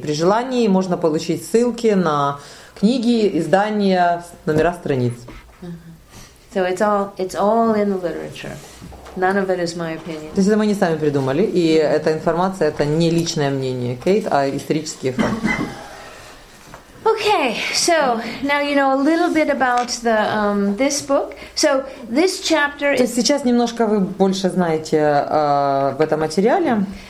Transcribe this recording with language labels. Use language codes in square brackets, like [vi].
[ru] При желании можно получить ссылки на книги, издания, номера страниц. [en] So it's all in the literature. None of it is my opinion. [ru] То есть это мы не сами придумали, и эта информация это не личное мнение Кейт, а исторические факты. [en] Okay, so now you know a little bit about the this book. So this chapter is. [ru] То есть сейчас немножко вы больше знаете об этом материале.